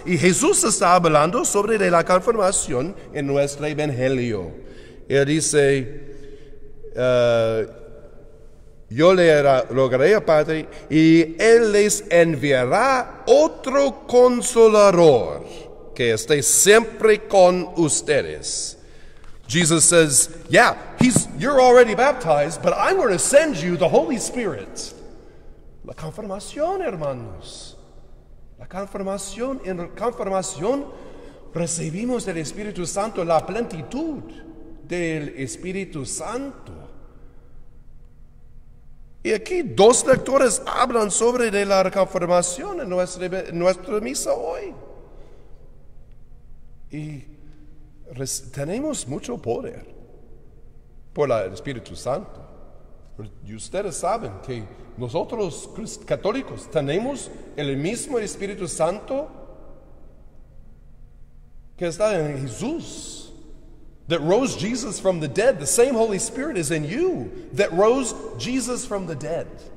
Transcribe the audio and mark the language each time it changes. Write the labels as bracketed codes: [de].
[es] Y Jesús está hablando sobre la confirmación en nuestro Evangelio. Él dice, yo le rogaré al Padre y Él les enviará otro Consolador. Que esté siempre con ustedes. [en] Jesus says, yeah, you're already baptized, but I'm going to send you the Holy Spirit. [es] La confirmación, hermanos. La confirmación. En confirmación recibimos del Espíritu Santo la plenitud del Espíritu Santo. Y aquí dos lectores hablan sobre de la confirmación en nuestra misa hoy. Y tenemos mucho poder por el Espíritu Santo. Y ustedes saben que nosotros católicos tenemos el mismo Espíritu Santo que está en Jesús. [en] That rose Jesus from the dead. The same Holy Spirit is in you that rose Jesus from the dead.